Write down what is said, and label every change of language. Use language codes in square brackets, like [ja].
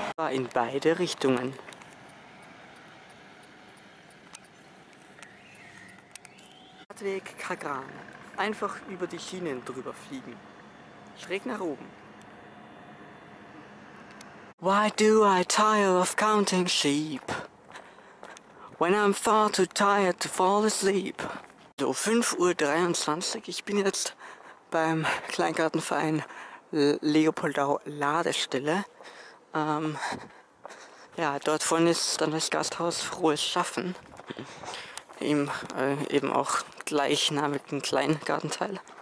[de] In beide Richtungen. Radweg Kagran. Einfach über die Schienen drüber fliegen. Schräg nach oben. [en] Why do I tire of counting sheep? When I'm far too tired to fall asleep. [de] So, 5.23 Uhr. Ich bin jetzt beim Kleingartenverein Leopoldau Ladestelle. Ja, dort vorne ist dann das Gasthaus Frohes Schaffen. Eben auch gleichnamigen Kleingartenteil.